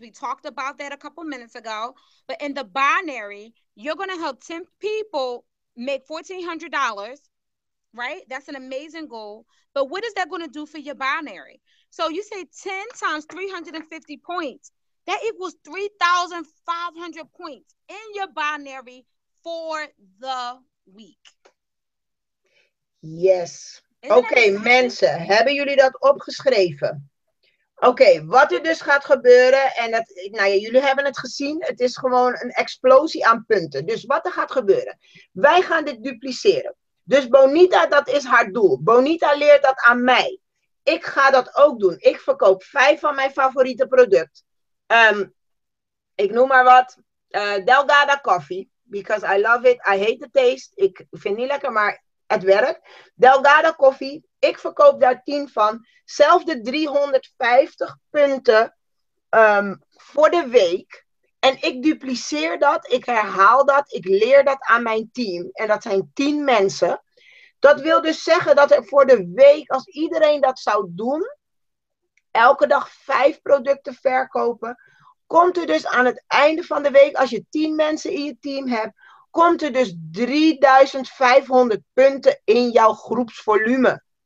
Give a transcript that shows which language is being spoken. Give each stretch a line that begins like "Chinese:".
English: We talked about that a couple minutes ago. But in the binary, you're going to help 10 people make $1,400, right? That's an amazing goal. But what is that going to do for your binary? So you say 10 times 350 points. That equals 3,500 points in your binary for the week. Yes.
Dutch: Okay, mensen, hebben jullie dat opgeschreven? Oké, wat er dus gaat gebeuren, en dat, nou ja, jullie hebben het gezien, het is gewoon een explosie aan punten. Dus wat er gaat gebeuren? Wij gaan dit dupliceren. Dus Bonita, dat is haar doel. Bonita leert dat aan mij. Ik ga dat ook doen. Ik verkoop 5 van mijn favoriete product. Ik noem maar wat.
English: Delgada Coffee, because I love it. I hate the taste.
Dutch: Ik vind het niet lekker, maar het werkt. Delgada Coffee. Ik verkoop daar 10 van. Zelf de 350 punten voor de week. En ik dupliceer dat. Ik herhaal dat. Ik leer dat aan mijn team. En dat zijn 10 mensen. Dat wil dus zeggen dat er voor de week, als iedereen dat zou doen, elke dag 5 producten verkopen, komt er dus aan het einde van de week, als je 10 mensen in je team hebt, komt er dus 3500 punten in jouw groepsvolume.